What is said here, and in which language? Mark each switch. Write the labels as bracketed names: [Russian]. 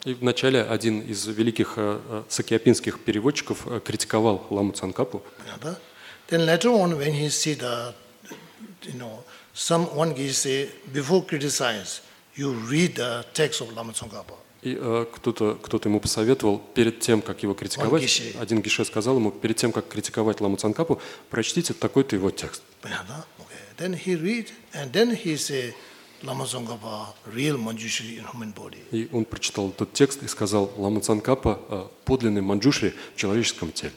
[Russian] И вначале один из великих сакьяпинских переводчиков критиковал Ламу Цонгапу. [English] Then later on, when he see the, you know, someone he say before criticize, you read the text of Lama Tsongkhapa. [Russian] И кто-то ему посоветовал перед тем, как его критиковать, один гише сказал ему, перед тем, как критиковать Ламу Цонгхапу, прочтите такой-то его текст. Понятно? Okay. [English] Then he read, and then he say, Lama Tsongkhapa, real Manjushri in human body. [Russian] И он прочитал этот текст и сказал, Лама Цонгхапа, подлинный Манджушри в человеческом теле.